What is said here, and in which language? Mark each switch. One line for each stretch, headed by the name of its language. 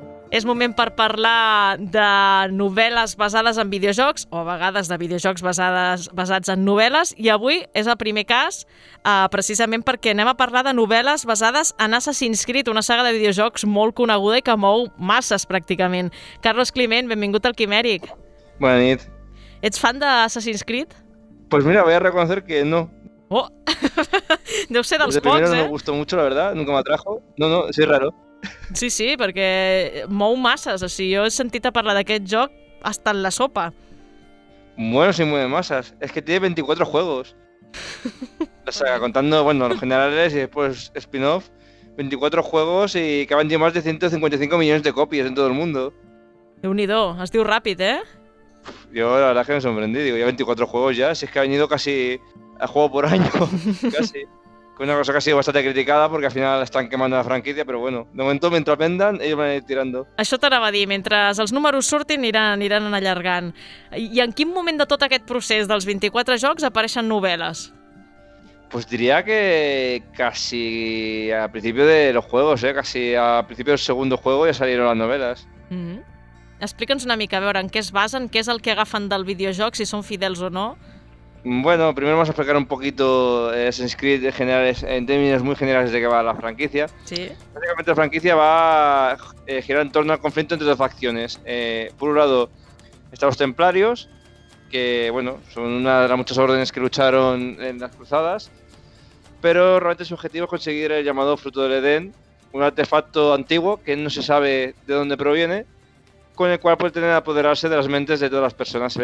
Catalan: És moment per parlar de novel·les basades en videojocs, o a vegades de videojocs basats en novel·les, i avui és el primer cas, precisament perquè anem a parlar de novel·les basades en Assassin's Creed, una saga de videojocs molt coneguda i que mou masses, pràcticament. Carlos Climent, benvingut al Quimèric. Bona nit. Ets fan d'Assassin's Creed?
Spanish: Pues mira, voy a reconocer que no.
Catalan: Oh! Deu ser dels
Spanish: Desde primero no me gustó mucho, la verdad, nunca me atrajo. No, no, soy raro.
Catalan: Sí, sí, perquè mou masses. O sigui, jo he sentit a parlar d'aquest joc
Spanish: hasta en la sopa. Bueno, sí, mueve masses. Es que tiene 24 juegos. O sea, contando, bueno, los generales y después spin-off, 24 juegos y que han vendido más de 155 millones de copias en todo el mundo.
Catalan: Déu-n'hi-do, es diu ràpid, eh?
Spanish: Yo la verdad es que me sorprendí, digo, ya 24 juegos ya, si es que ha venido casi a juego por año, casi. Una cosa que ha sido bastante criticada porque al final están quemando la franquicia, pero bueno, de momento mientras vendan, ellos van a ir tirando.
Catalan: Això t'anava a dir, mentre els números surtin aniran allargant. I en quin moment de tot aquest procés dels 24 jocs apareixen novel·les?
Spanish: Pues diría que casi al principio de los juegos, ¿eh? Casi al principio del segundo juego ya salieron las novelas. Mm-hmm.
Catalan: Explica'ns una mica, a veure, en què es basen, què és el que agafen del videojoc, si són fidels o no.
Spanish: Bueno, primero vamos a explicar un poquito Assassin's Creed en generales, en términos muy generales de qué va la franquicia. Sí. Básicamente la franquicia va a girar en torno al conflicto entre dos facciones. Por un lado están los templarios, que bueno, son una de las muchas órdenes que lucharon en las cruzadas, pero realmente su objetivo es conseguir el llamado Fruto del Edén, un artefacto antiguo que no se sabe de dónde proviene, con el cual puede tener apoderarse de las mentes de todas las personas.